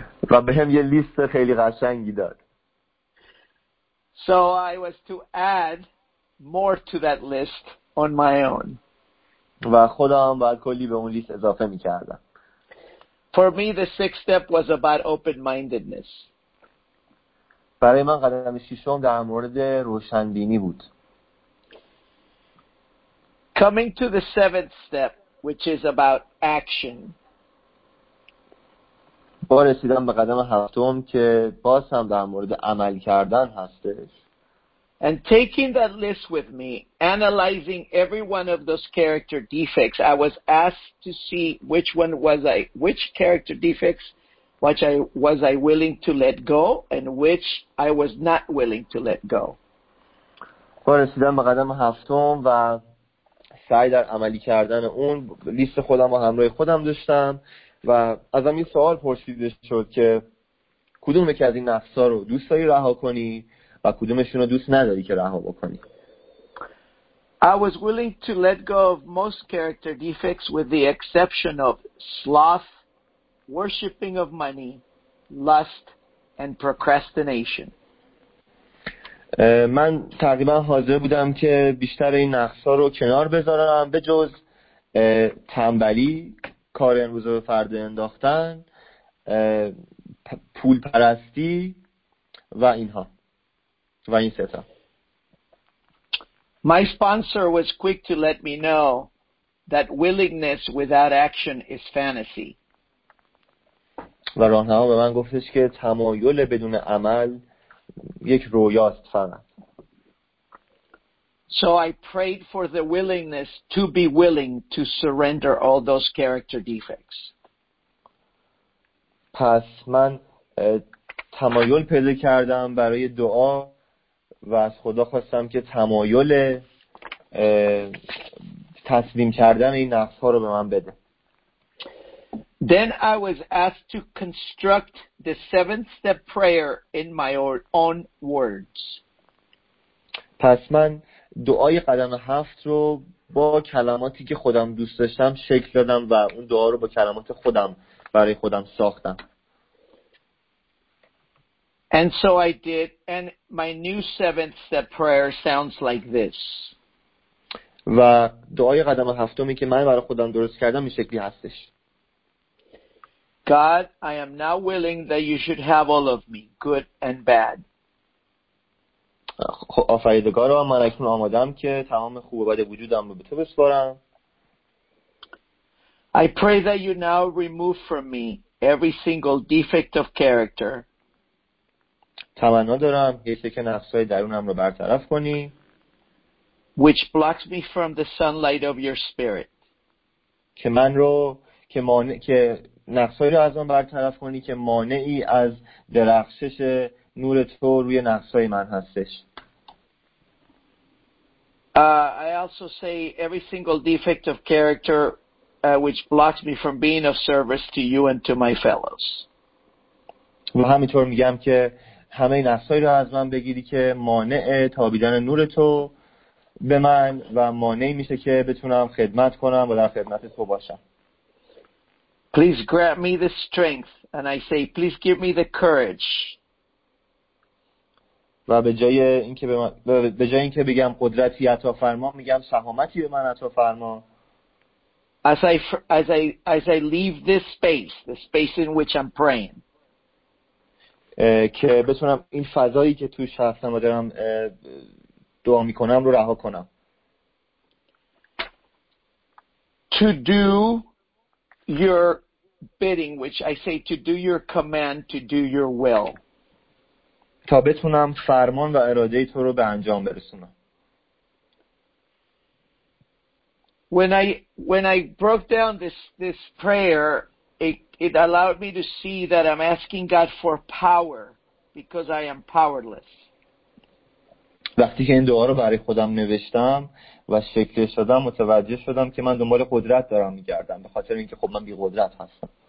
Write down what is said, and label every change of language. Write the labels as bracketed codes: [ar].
[fa] و به هم یه لیست خیلی قشنگی داد. [en] So I was to add more to that list on my own. [fa] و خودم باید کلی به اون لیست اضافه می‌کردم. [en] For me the sixth step was about open-mindedness. [fa] برای من قدم ششم در مورد روشنبینی بود. [en] Coming to the seventh step, which is about action. [fa] با رسیدم به قدم هفتم که باز هم در مورد عمل کردن هستش. [en] And taking that list with me, analyzing every one of those character defects, I was asked to see which character defects which I was I willing to let go and which I was not willing to let go. [fa] رسیدم به قدم هفتم و سعی در عملی کردن اون لیست خودم و همراه خودم داشتم و ازم این سوال پرسیده شد که کدوم یکی از این نفسا رو دوست داری رها کنی و کدومشون رو دوست نداری که رها بکنی. [en] I was willing to let go of most character defects with the exception of sloth, worshipping of money, lust, and procrastination. [fa] من تقریبا حاضر بودم که بیشتر این نقصا رو کنار بذارم به جز تنبلی، کار امروز رو به فردا انداختن، پول پرستی و اینها و این سه تا. [en] My sponsor was quick to let me know that willingness without action is fantasy. [fa] و راهنما به من گفتش که تمایل بدون عمل یک رویاست فقط. [en] So I prayed for the willingness to be willing to surrender all those character defects. [fa] پس من تمایل پیدا کردم برای دعا و از خدا خواستم که تمایل تسلیم کردن این نقص‌ها رو به من بده. [en] Then I was asked to construct the seventh step prayer in my own words. [fa] پس من دعای قدم هفت رو با کلماتی که خودم دوست داشتم شکل دادم و اون دعا رو با کلمات خودم برای خودم ساختم. [en] And so I did, and my new seventh step prayer sounds like this. [fa] و دعای قدم هفتمی که من برای خودم درست کردم این شکلی هستش. [en] God, I am now willing that you should have all of me, good and bad. [fa] آفریدگارا من اکنون آمادم که تمام خوب و بد وجودم رو به تو بسپارم. [en] I pray that you now remove from me every single defect of character. [fa] تمنا دارم هر یک نقصهای درونم رو برطرف کنی. [en] Which blocks me from the sunlight of your spirit. [fa] که من رو که مانع که نقصهای رو از من برطرف کنی که مانعی از درخشش نور تو روی نقصهای من هستش. [en] I also say every single defect of character which blocks me from being of service to you and to my fellows. [fa] و همینطور میگم که همه نقصهای رو از من بگیری که مانع تابیدن نور تو به من و مانعی میشه که بتونم خدمت کنم و در خدمت تو باشم. [en] Please grant me the strength and I say please give me the courage. [fa] و به جای اینکه به جای اینکه بگم قدرتی عطا فرما میگم شهامتی به من عطا فرما. [en] As I leave this space, the space in which I'm praying. [fa] که بتونم این فضایی که توش هستم و دارم دعا میکنم رو رها کنم. [en] To do your bidding, which I say to do your command, to do your will. [fa] تا بتونم فرمان و اراده تو رو به انجام برسونم. [en] When I broke down this prayer, It allowed me to see that I'm asking God for power because I am powerless. [fa] وقتی که این دعا رو برای خودم نوشتم و شکلش دادم متوجه شدم که من دنبال قدرت دارم می‌گردم به خاطر اینکه خب من بی‌قدرت هستم.